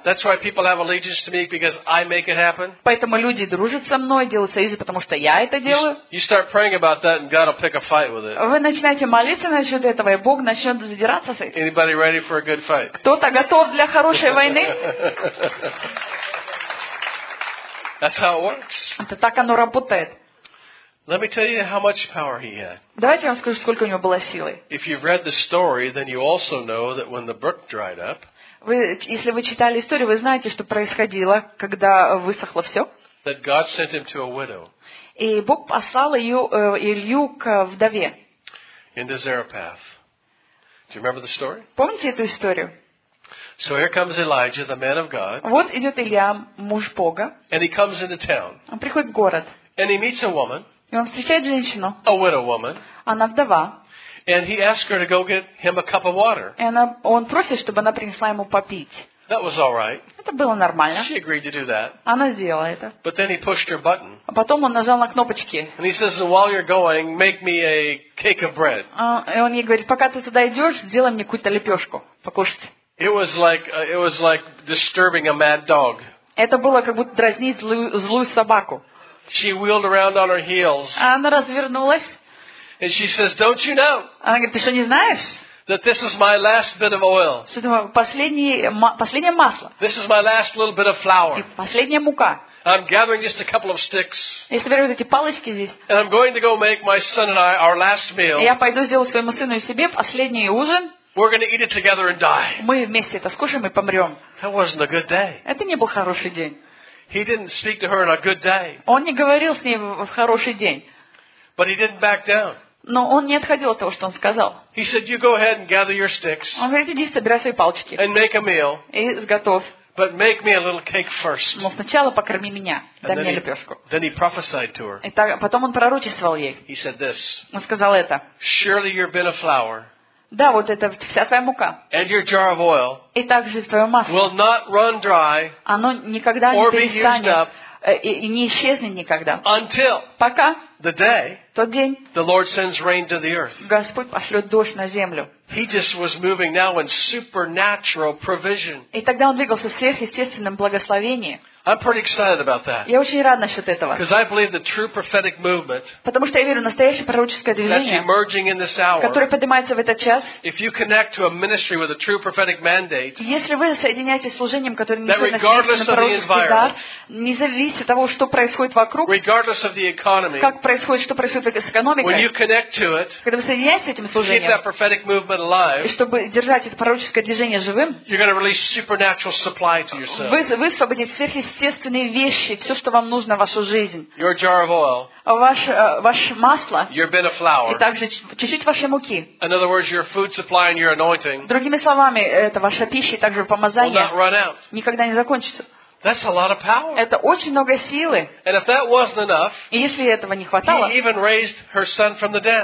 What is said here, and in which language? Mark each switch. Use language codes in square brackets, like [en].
[en] That's why people have allegiance to me because I make it happen. [ru] Поэтому люди дружат со мной, делают союзы, потому что я это делаю. [en] You start praying about that and God will pick a fight with it. [ru] Вы начинаете молиться насчет этого, и Бог начнет задираться с этим. [en] Anybody ready for a good fight? [ru] Кто-то готов для хорошей войны? [en] That's how it works. [ru] Это так оно работает. [en] Let me tell you how much power he had. [ru] Давайте я вам скажу, сколько у него было силы. [en] If you've read the story, then you also know that when the brook dried up. [ru] Вы, если вы читали историю, вы знаете, что происходило, когда высохло все. [en] That God sent him to a widow. [ru] И Бог послал ее, Илью к вдове. [en] Into Zarephath. Do you remember the story? [ru] Помните эту историю? [en] So here comes Elijah, the man of God. [ru] Вот идет Илья, муж Бога. [en] And he comes into town. [ru] Он приходит в город. [en] And he meets a woman. [ru] И он встречает женщину. [en] A widow woman. [ru] Она вдова. [en] And he asks her to go get him a cup of water. [ru] И она, он просит, чтобы она принесла ему попить. [en] That was all right. [ru] Это было нормально. [en] She agreed to do that. [ru] Она сделала это. [en] But then he pushed her button. [ru] А потом он нажал на кнопочки. [en] And he says, while you're going, make me a cake of bread. [ru] И он ей говорит, пока ты туда идешь, сделай мне какую-то лепешку покушать. [en] It was like disturbing a mad dog. [ru] Это было как будто дразнить злую собаку. [en] She wheeled around on her heels. [ru] Она развернулась. [en] And she says, "Don't you know?" [ru] Она говорит, ты что не знаешь? [en] That this is my last bit of oil. [ru] Последнее масло. [en] This is my last little bit of flour. [ru] И последняя мука. [en] I'm gathering just a couple of sticks. [ru] Я собираю вот эти палочки здесь. [en] And I'm going to go make my son and I our last meal. [ru] Я пойду сделаю своему сыну и себе последний ужин. [en] We're going to eat it together and die. [ru] Мы вместе это скушаем и помрем. [en] That wasn't a good day. [ru] Это не был хороший день. [en] He didn't speak to her on a good day. [ru] Он не говорил с ней в хороший день. [en] But he didn't back down. [ru] Но он не отходил от того, что он сказал. [en] He said, "You go ahead and gather your sticks." [ru] Он говорит, иди собирай свои палочки. [en] And make a meal. [ru] И сготовь. [en] But make me a little cake first. [ru] Но сначала покорми меня, дай мне лепешку. [en] Then he prophesied to her. [ru] И так, потом он пророчествовал ей. [en] He said this. [ru] Он сказал это. [en] Surely your bin of flour. [ru] Да, вот это вся твоя мука. [en] And your jar of oil. [ru] И также твое масло. [en] Will not run dry. [ru] Оно никогда не перестанет. И не исчезнет никогда. [en] Until. [ru] Пока. [en] The day. [ru] Тот день. [en] The Lord sends rain to the earth. [ru] Господь пошлет дождь на землю. [en] He just was moving now in supernatural provision. [ru] И тогда он двигался в сверхъестественном благословении. [en] I'm pretty excited about that. [ru] Я очень рад насчет этого. [en] Because I believe the true prophetic movement. [ru] Потому что я верю в настоящее пророческое движение. [en] That's emerging in this hour. [ru] Которое поднимается в этот час. [en] If you connect to a ministry with a true prophetic mandate. [ru] Если вы соединяетесь с служением, которое несет настоящий пророческий дар, независимо от того, что происходит вокруг. [en] Regardless of the economy. [ru] Как происходит, что происходит с экономикой. [en] When you connect to it. [ru] Когда вы соединяетесь с этим служением. [en] Keep that prophetic movement alive. [ru] И чтобы держать это пророческое движение живым. [en] You're going to release supernatural supply to yourself. [ru] Вы освободите сверхъестественное. Естественные вещи, все, что вам нужно в вашу жизнь. [en] Your jar of oil. [ru] Ваше масло. [en] Your bin of flour. [ru] И также чуть-чуть вашей муки. [en] In other words, your food supply and your anointing. [ru] Другими словами, это ваша пища и также помазание. [en] Will not run out. [ru] Никогда не закончится. [en] That's a lot of power. [ru] Это очень много силы. [en] And if that wasn't enough. [ru] И если этого не хватало. [en] He even raised her son from the dead.